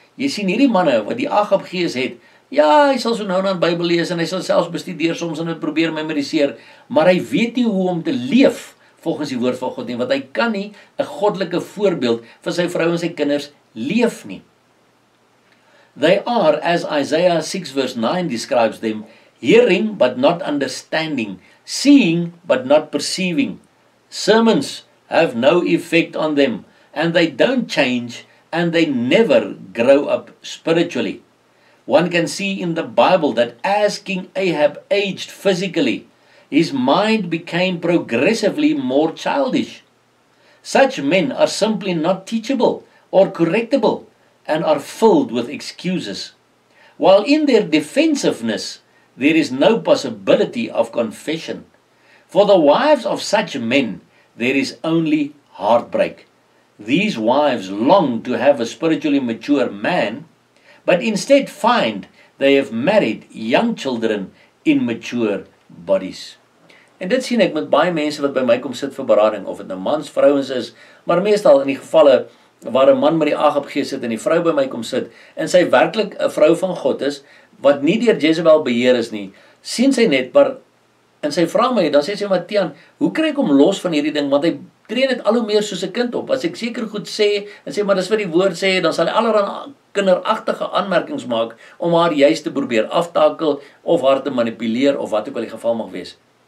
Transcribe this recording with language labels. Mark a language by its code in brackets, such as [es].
[af] Jy sien hierdie manne wat die Agab gees het, ja, hy sal so nou aan Bybel lees en hy sal selfs bestudeer soms en dit probeer memoriseer, maar hy weet nie hoe om te leef volgens die woord van God nie, want hy kan nie 'n goddelike voorbeeld vir sy vrou en sy kinders leef nie. [en] They are, as Isaiah 6 verse 9 describes them, hearing but not understanding, seeing but not perceiving. Sermons have no effect on them, and they don't change, and they never grow up spiritually. One can see in the Bible that as King Ahab aged physically, his mind became progressively more childish. Such men are simply not teachable or correctable and are filled with excuses. While in their defensiveness, there is no possibility of confession. For the wives of such men, there is only heartbreak. These wives long to have a spiritually mature man, but instead find they have married young children in mature bodies. [af] En dit sien ek met baie mense wat by my kom sit vir berading, of dit nou mans, vrouens is, maar meestal in die gevalle waar 'n man met die Agab gees sit en die vrou by my kom sit, en sy werklik 'n vrou van God is, wat nie deur Jezebel beheer is nie, sien sy net, maar, en sy vra my, dan sê sy maar, Tian, hoe kry ek hom los van hierdie ding, want hy tree net al hoe meer soos 'n kind op, as ek seker goed sê, en sê maar, dis wat die woord sê, dan sal hy allerhande kinderagtige aanmerkings maak, om haar juist te probeer aftakel, of haar te manipuleer, of wat ook al die geval mag wees.